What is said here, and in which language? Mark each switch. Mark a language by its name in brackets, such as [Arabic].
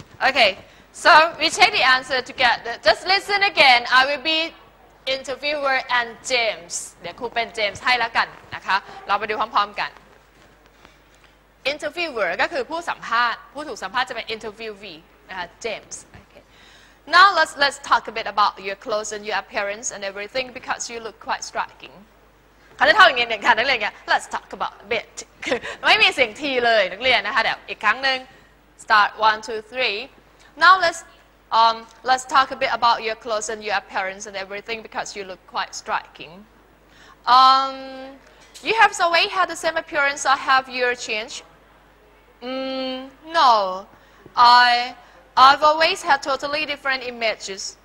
[English] Okay, so we check the answer together. Just listen again. I will be interviewer and James. [Thai] เดี๋ยวครูเป็นเจมส์ให้แล้วกันนะคะเราไปดูพร้อมๆกัน Interviewer ก็คือผู้สัมภาษณ์ผู้ถูกสัมภาษณ์จะเป็น interviewee นะคะ James. [English] Okay. Now let's talk a bit about your clothes and your appearance and everything because you look quite striking. [Thai] เขาจะทำอย่างเงี้ยค่ะนักเรียนเงี้ย [English] Let's talk about a bit. [Thai] ไม่มีเสียงทีเลยนักเรียนนะคะเดี๋ยวอีกครั้งนึง [English] Start 1, 2, 3. Now let's talk a bit about your clothes and your appearance and everything because you look quite striking. You have always had the same appearance or have you changed? No. I've always had totally different images.